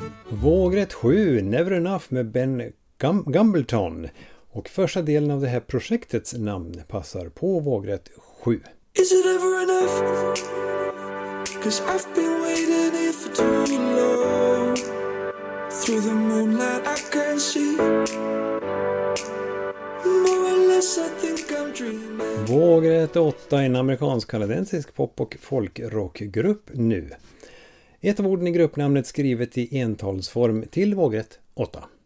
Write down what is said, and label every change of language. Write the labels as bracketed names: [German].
[Swedish] Vågret 7, Never Enough med Ben Gambleton. Och första delen av det här projektets namn passar på vågrätt 7. [English] Is it ever enough? 'Cause I've been waiting here for too long. Through the moonlight I can see. More or less I think I'm dreaming. [Swedish] Vågrätt 8, en amerikansk-kanadensisk pop- och folkrockgrupp nu. Ett av orden i gruppnamnet skrivet i entalsform till vågrätt 8.